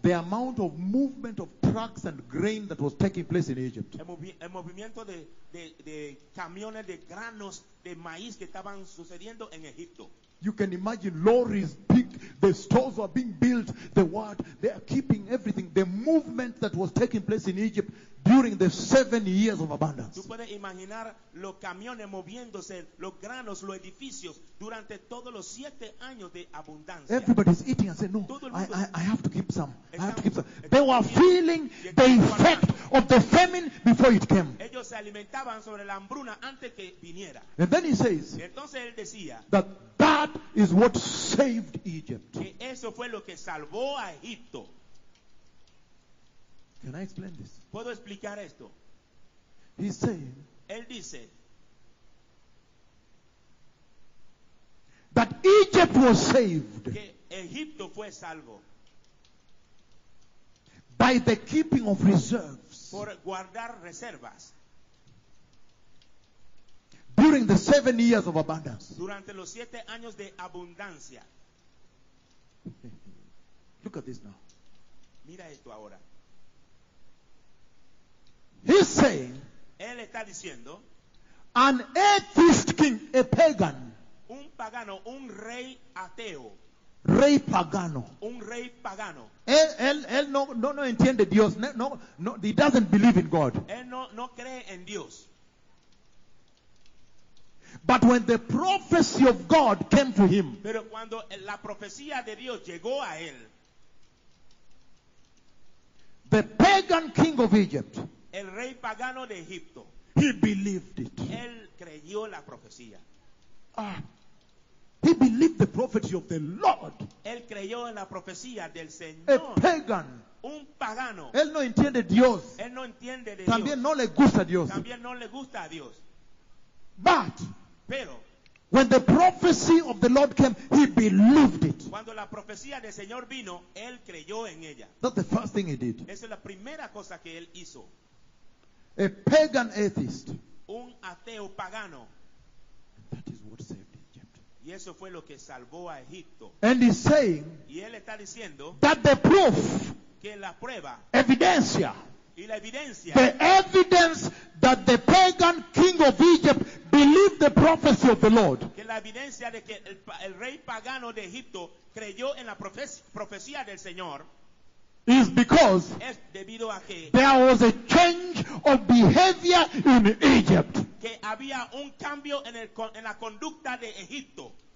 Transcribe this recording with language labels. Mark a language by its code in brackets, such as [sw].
[en] the amount of movement of trucks and grain that was taking place in Egypt. [es] El movimiento de camiones de granos de maíz que estaban sucediendo en Egipto. [en] You can imagine lorries big, the stores were being built, the what, they are keeping everything. The movement that was taking place in Egypt during the 7 years of abundance. [es] Tú puedes imaginar los camiones moviéndose, los granos, los edificios durante todos los 7 años de abundancia. [en] Everybody's eating and saying, no, I have to keep some. I have to keep some. They were feeling the effect of the famine before it came. [es] Ellos se alimentaban sobre la hambruna antes que viniera. [en] And then he says, [es] entonces él decía, [en] that is what saved Egypt. [es] Que eso fue lo que salvó a Egipto. [en] Can I explain this? [es] ¿Puedo explicar esto? [en] He's saying, [es] él dice, [en] that Egypt was saved, [es] que Egipto fue salvo, [en] by the keeping of reserves, [es] por guardar reservas, [en] during the 7 years of abundance, [es] durante los 7 años de abundancia. [en] Look at this now. [es] Mira esto ahora. [en] He's saying, [es] él está diciendo, [en] an atheist king, a pagan, [es] un pagano, un rey ateo, rey pagano, un rey pagano, él no entiende Dios, no, [en] he doesn't believe in God, [es] él no cree en Dios. [en] But when the prophecy of God came to him, [es] pero cuando la profecía de Dios llegó a él, [en] the pagan king of Egypt, [es] el rey pagano de Egipto, [en] he believed it. [es] Él creyó la profecía. [en] He believed the prophecy of the Lord. [es] Él creyó en la profecía del Señor. [en] A pagan. [es] Un pagano. Él no entiende Dios. Él no entiende de también Dios. No le gusta a Dios. También no le gusta a Dios. [en] But [es] pero, [en] when the prophecy of the Lord came, he believed it. [es] Cuando la profecía del Señor vino, él creyó en ella. [en] That's the first thing he did. [es] Esa es la primera cosa que él hizo. [en] A pagan atheist. [es] Un ateo pagano. [en] That is what saved Egypt. [es] Y eso fue lo que salvó a Egipto. [en] And he's saying, [es] y él está diciendo, [en] that the proof, [es] que la prueba, evidencia, y la evidencia, [en] the evidence that the pagan king of Egypt believed the prophecy of the Lord, [es] que la evidencia de que el rey pagano de Egipto creyó en la profecía del Señor, [en] is because [es] es debido a que [en] there was a change of behavior in Egypt. [es] Que había un cambio en el, en la conducta de Egipto.